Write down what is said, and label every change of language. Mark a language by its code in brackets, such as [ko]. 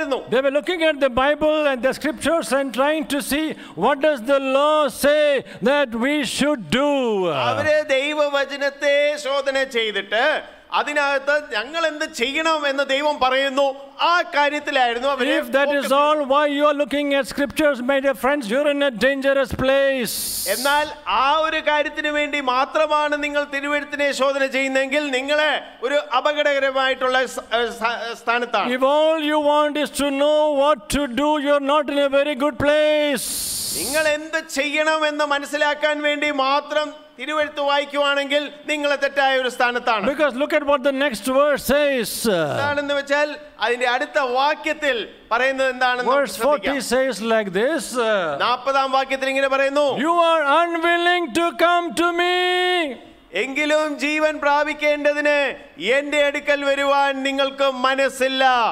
[en] They were looking at the Bible and the scriptures and trying to see what does the law say that we should do. [ml] അവരെ ദൈവവചനത്തെ ശോധന ചെയ്തിട്ട് അതിനകത്ത് ഞങ്ങൾ എന്ത് ചെയ്യണം എന്ന് ദൈവം പറയുന്നു ആ കാര്യത്തിലായിരുന്നു അവർ. [en] If that is all why you are looking at scriptures, my dear friends, you're in a dangerous place. [ml] എന്നാൽ ആ ഒരു കാര്യത്തിനു വേണ്ടി മാത്രമാണ് നിങ്ങൾ തിരുവെഴുത്തിനെ ശോധന ചെയ്യുന്നെങ്കിൽ നിങ്ങൾ ഒരു അപകടകരമായിട്ടുള്ള സ്ഥാനത്താണ്. [en] If all you want is to know what to do, you're not in a very good place. [ml] നിങ്ങൾ എന്ത് ചെയ്യണം എന്ന് മനസ്സിലാക്കാൻ വേണ്ടി മാത്രം തിരുവെഴുത്ത് വായിക്കുവാണെങ്കിൽ നിങ്ങൾ തെറ്റായ ഒരു സ്ഥാനത്താണ്. [en] Because look at what the next verse says. [ml] എന്താണെന്ന് വെച്ചാൽ അതിന്റെ അടുത്ത വാക്യത്തിൽ പറയുന്നത് എന്താണെന്ന് [en] Verse 40 says like this. [ml] 40ാം വാക്യത്തിൽ ഇങ്ങനെ പറയുന്നു. [en] You are unwilling to come to me. [ml] എങ്കിലും ജീവൻ പ്രാപിക്കേണ്ടതിന് എൻ്റെ അടുക്കൽ വരുവാൻ നിങ്ങൾക്ക് മനസ്സില്ല.